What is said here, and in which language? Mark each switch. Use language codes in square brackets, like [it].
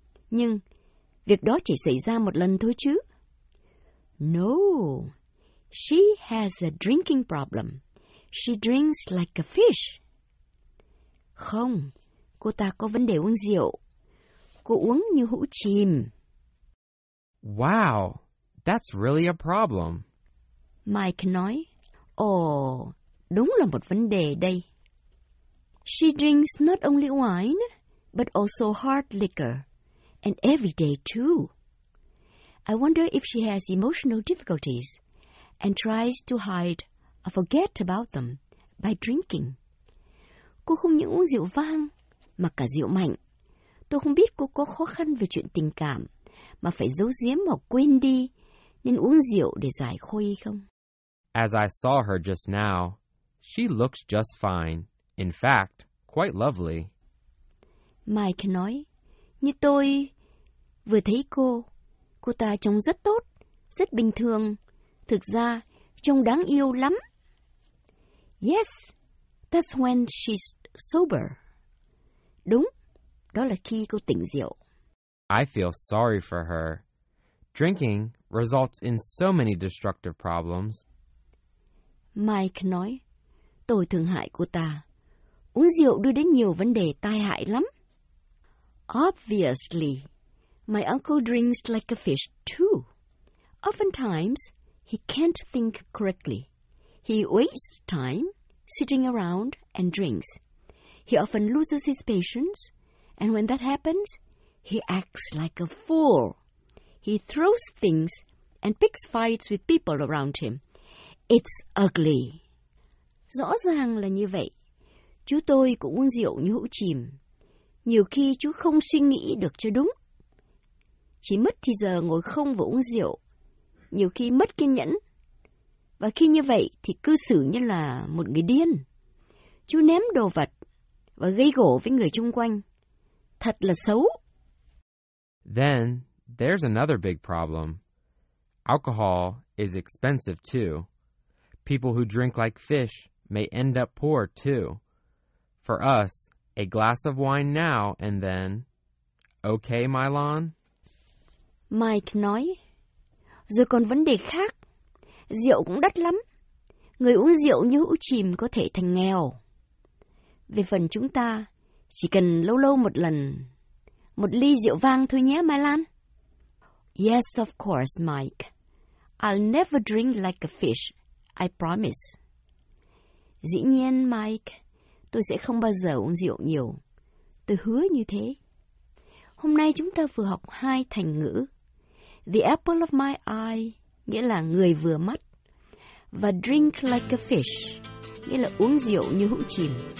[vi] Nhưng việc đó chỉ xảy ra một lần thôi chứ. [en] No, she has a drinking problem. She drinks like a fish. [vi] Không, cô ta có vấn đề uống rượu. Cô uống như hũ chìm. [en] Wow, that's really a problem. [vi] Mike nói, đúng là một vấn đề đây. [en] She drinks not only wine, but also hard liquor, and every day too. I wonder if she has emotional difficulties and tries to hide or forget about them by drinking. [vi] Cô không những uống rượu vang, mà cả rượu mạnh. Tôi không biết cô có khó khăn về chuyện tình cảm, mà phải giấu giếm hoặc quên đi, nên uống rượu để giải khuây không? [en] As I saw her just now, she looks just fine. In fact, quite lovely. [vi] Mike nói, như tôi vừa thấy cô ta trông rất tốt, rất bình thường. Thực ra, trông đáng yêu lắm. [en] Yes, that's when she's sober. [vi] Đúng, đó là khi cô tỉnh rượu. [en] I feel sorry for her. Drinking results in so many destructive problems. [vi] Mike nói, tôi thương hại cô ta. Uống rượu đưa đến nhiều vấn đề tai hại lắm. [en] Obviously, my uncle drinks like a fish too. Oftentimes, he can't think correctly. He wastes time sitting around and drinks. He often loses his patience, and when that happens, he acts like a fool. He throws things and picks fights with people around him. It's ugly. [vi] Rõ ràng là như vậy. chú tôi cũng uống rượu như hũ chìm. Nhiều khi chú không suy nghĩ được cho đúng. Chỉ mất thì giờ ngồi không và uống rượu. Nhiều khi mất kiên nhẫn. Và khi như vậy thì cư xử như là một người điên. Chú ném đồ vật và gây gổ với người chung quanh. Thật là xấu. [en] Then, there's another big problem. Alcohol is expensive too. People who drink like fish may end up poor too. For us, a glass of wine now and then. Okay, Mylon? [vi] Mike nói, rồi còn vấn đề khác. Rượu cũng đắt lắm. Người uống rượu như hũ chìm có thể thành nghèo. Về phần chúng ta, chỉ cần lâu lâu một lần, một ly rượu vang thôi nhé, Mylon. [en] Yes, of course, Mike. I'll never drink like a fish, I promise. [vi] Dĩ nhiên, Mike, tôi sẽ không bao giờ uống rượu nhiều. Tôi hứa như thế. Hôm nay chúng ta vừa học hai thành ngữ. [en] The apple of my eye, [vi] nghĩa là người vừa mắt. Và [en] drink like a fish, [vi] nghĩa là uống rượu như hũ chìm.